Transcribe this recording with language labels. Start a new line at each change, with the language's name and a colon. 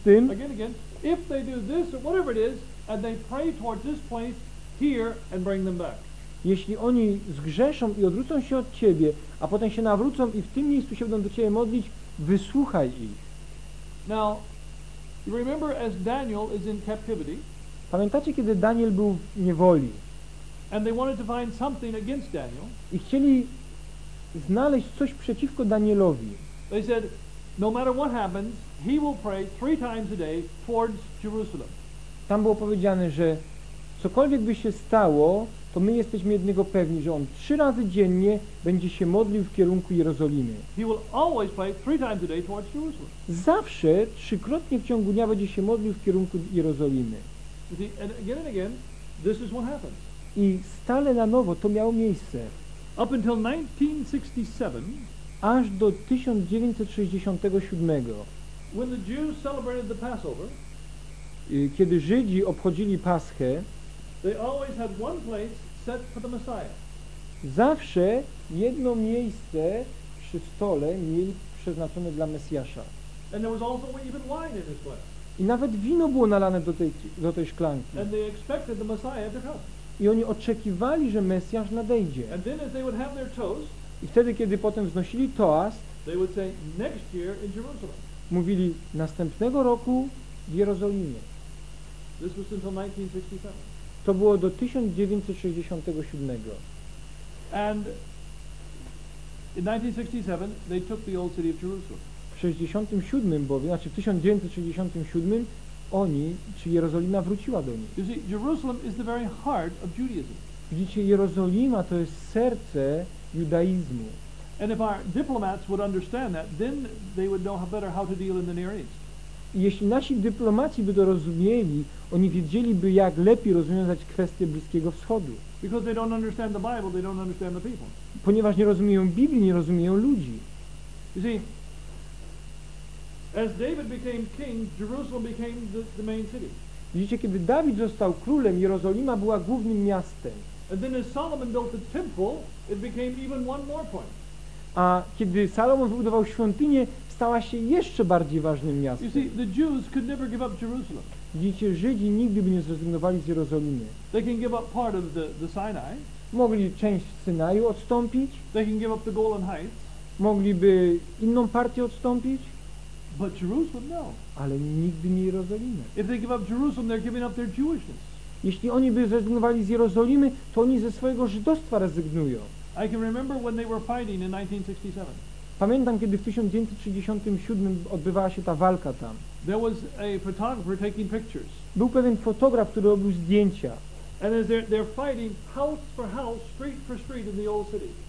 English: Again, if they do this or whatever it is, and they pray towards this place, hear and bring them back.
Polish: Jeśli oni zgrzeszą i odwrócą się od ciebie, a potem się nawrócą i w tym miejscu się będą do ciebie modlić, wysłuchaj ich.
English: Now, remember as Daniel is in captivity.
Polish: Pamiętacie, kiedy Daniel był w niewoli?
English: And they wanted to find something against Daniel.
Polish: I chcieli znaleźć coś przeciwko Danielowi.
English: They said, no matter what happens, he will pray three times a day towards Jerusalem.
Polish: Tam było powiedziane, że cokolwiek by się stało, to my jesteśmy jednego pewni, że on trzy razy dziennie będzie się modlił w kierunku Jerozolimy.
English: He will always pray three times a day towards Jerusalem.
Polish: Zawsze trzykrotnie w ciągu dnia będzie się modlił w kierunku Jerozolimy.
English: See, and again, this is what happens.
Polish: I stale na nowo to miało miejsce.
English: Up until 1967.
Polish: Aż do 1967.
English: When the Jews celebrated the Passover,
Polish: kiedy Żydzi obchodzili Paschę,
English: they always had one place set for the Messiah.
Polish: Zawsze jedno miejsce przy stole mieli przeznaczone dla Mesjasza.
English: And there was also even wine in this place.
Polish: I nawet wino było nalane do tej szklanki.
English: And they expected the Messiah to come.
Polish: I oni oczekiwali, że Mesjasz nadejdzie.
English: And then as they would have their toast,
Polish: i wtedy, kiedy potem wznosili toast,
English: they would say, next year in Jerusalem.
Polish: Mówili, następnego roku w Jerozolimie.
English: This was until 1967.
Polish: To było do 1967.
English: And in 1967 they took the old city of Jerusalem.
Polish: W 67 bowiem, znaczy w 1967 oni, czy Jerozolima wróciła do nich.
English: You see, Jerusalem is the very heart of Judaism.
Polish: Widzicie, Jerozolima to jest serce judaizmu.
English: And if our diplomats would understand that, then they would know better how to deal in the Near East.
Polish: I jeśli nasi dyplomaci by to rozumieli, oni wiedzieliby, jak lepiej rozwiązać kwestie Bliskiego Wschodu.
English: Because they don't understand the Bible, they don't understand the people.
Polish: Ponieważ nie rozumieją Biblii, nie rozumieją ludzi.
English: You see, as David became king, Jerusalem became the main city.
Polish: Widzicie, kiedy Dawid został królem, Jerozolima była głównym miastem.
English: And then as Solomon built the temple, it became even one more point.
Polish: A kiedy Salomon wybudował świątynię, stała się jeszcze bardziej ważnym miastem.
English: You see, the Jews could never give up Jerusalem.
Polish: Widzicie, Żydzi nigdy by nie zrezygnowali z Jerozolimy.
English: They can give up part of the Sinai.
Polish: mogli część Synaju odstąpić.
English: They can give up the Golan Heights.
Polish: Mogliby inną partię odstąpić.
English: But Jerusalem, no.
Polish: Ale nigdy nie Jerozolimy.
English: If they give up Jerusalem, they're giving up their Jewishness.
Polish: Jeśli oni by zrezygnowali z Jerozolimy, to oni ze swojego żydostwa rezygnują.
English: I can remember when they were fighting in 1967.
Polish: Pamiętam, kiedy w 1937 odbywała się ta walka tam.
English: There was a photographer taking pictures.
Polish: Był pewien fotograf, który robił zdjęcia.
English: And as they're fighting house for house, street for street in the old city.